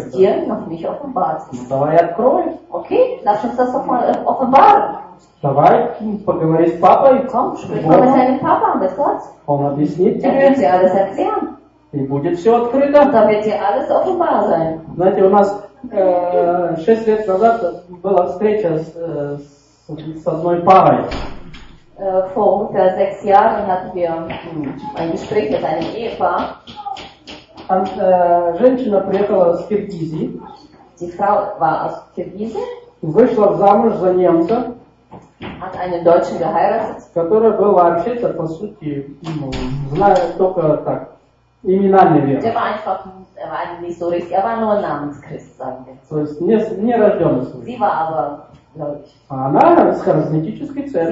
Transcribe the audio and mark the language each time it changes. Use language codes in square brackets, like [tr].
[de] Das ist dir noch nicht offenbart. [ru] Ну, давай открой. [de] Okay, lass uns das doch mal offenbaren. [ru] Давай поговори с папой. [de] Komm, sprich mal mit deinem Papa, mit Gott. [ru] Он объяснит тебе. [de] Er wird dir alles erklären. [ru] И будет все открыто. [de] Und dann wird dir alles offenbar sein. [ru] Знаете, у нас 6 лет назад была встреча с одной парой. [de] Vor ungefähr 6 Jahren hatten wir ein Gespräch mit einem Ehepaar. Und [ru] женщина приехала из Киргизии. [de] Die Frau war aus Kirgisien. [ru] Вышла замуж за немца. [de] Hat einen Deutschen geheiratet. [ru] Который был вообще-то по сути, знает только так, именами верно. [de] Der war einfach, er war nicht so richtig, er war nur Namenschrist, sagen wir. [ru] То есть не рожденный свой. [de] Sie war aber [ru] Она из харизматической